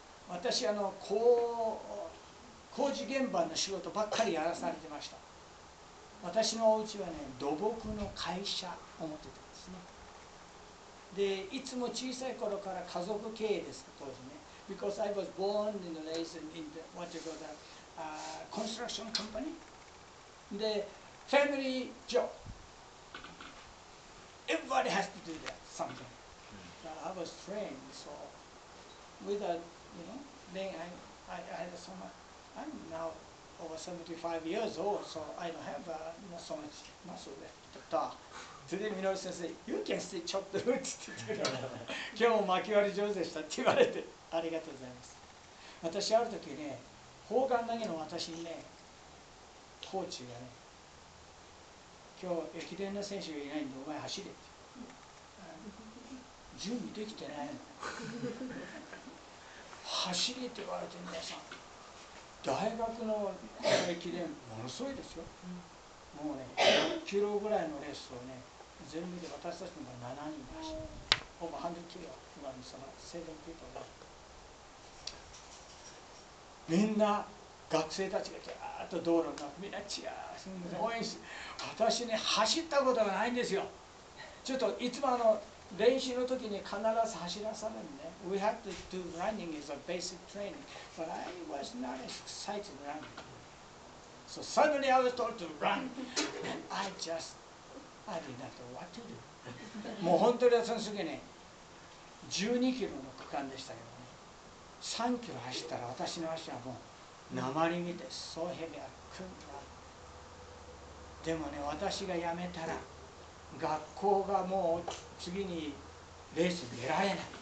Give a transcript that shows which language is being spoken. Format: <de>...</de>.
<ja>私工事現場の仕事ばっかりやらされてました。私のお家はね、土木の会社を持ってたんですね。で、いつも小さい頃から家族経営です、当時ね。</ja> <en>Because I was born and raised in the, what you call that, construction company. で、family job. Everybody has to do that, something. So I was trained, so with a, you know, then I had so much. I'm now over 75 years old, so I don't have not so much muscle left. Today, Minoru Sensei, you can stay chopped wood.</en> <ja>って言ってくれた。今日も巻き割り上手でしたって言われて、ありがとうございます。私、ある時ね、砲丸投げの私にね、コーチがね、今日、駅伝の選手がいないんで、お前走れって。準備できてないの。走れって言われて、皆さん。大学の駅伝、ものすごいですよ。うん、もうね、100キロぐらいのレースをね、全部で私たちの方が7人で走る。ほぼ100キロ、今のその制度のピみんな、学生たちがジャーッと道路が、みんなチアーすんで、応援して、私ね、走ったことがないんですよ。ちょっと、いつもあの練習の時に必ず走らされるね。</ja> <en>We had to do running as a basic training, but I was not as excited running. So suddenly I was told to run, and I did not know what to do.</en> <ja>もう本当にその時ね、12キロの区間でしたけどね、3キロ走ったら私の足はもう鉛みて、そうヘビアクンとある。でもね、私が辞めたら、学校がもう次にレースに出られない。</ja>